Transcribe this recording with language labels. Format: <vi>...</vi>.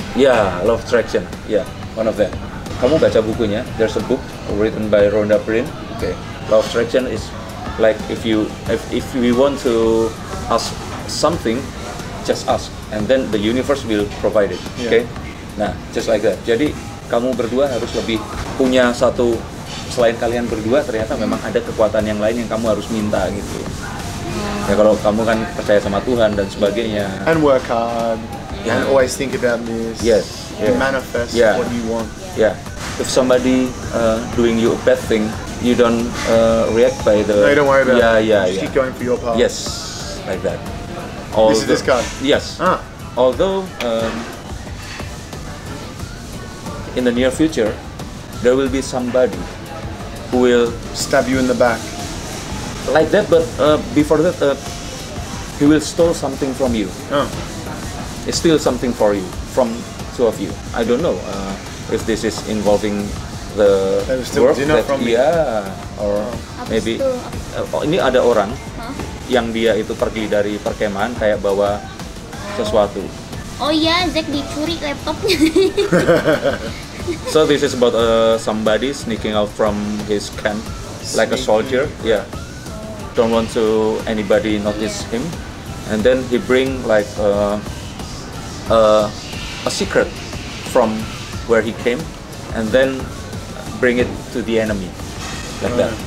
<en>Yeah, law of attraction. Yeah, one of them.</en> <id>Kamu baca bukunya?</id> <en>There's a book written by Rhonda Byrne. Okay. Law of attraction is like if we want to ask something, just ask, and then the universe will provide it. Yeah. Okay. Nah, just like that.</en> <id>Jadi kamu berdua harus lebih punya satu. Selain kalian berdua, ternyata memang ada kekuatan yang lain yang kamu harus minta gitu. Ya kalau kamu kan percaya sama Tuhan dan sebagainya.</id> <en>And work hard. Yeah. And always think about this. Yes. Yeah. Manifest yeah. what you want. Yeah. If somebody doing you a bad thing, you don't react by the. No, you don't worry about. Yeah, it. Yeah, just yeah. Keep going for your path. Yes, like that. Although, this is this card. Yes. Ah. Although in the near future, there will be somebody. Who will stab you in the back like that, but before that he will steal something from you. Oh. Steal something for you from two of you. I don't know if this is involving the work that from yeah me. Or maybe</en> <id>ini ada orang huh? yang dia itu pergi dari perkemahan kayak bawa sesuatu. Oh iya, Zack dicuri laptopnya.</id> <en>So this is about somebody sneaking out from his camp, like sneaking. A soldier. Yeah, don't want to anybody notice yeah. him, and then he bring like a secret from where he came, and then bring it to the enemy, like that.</en>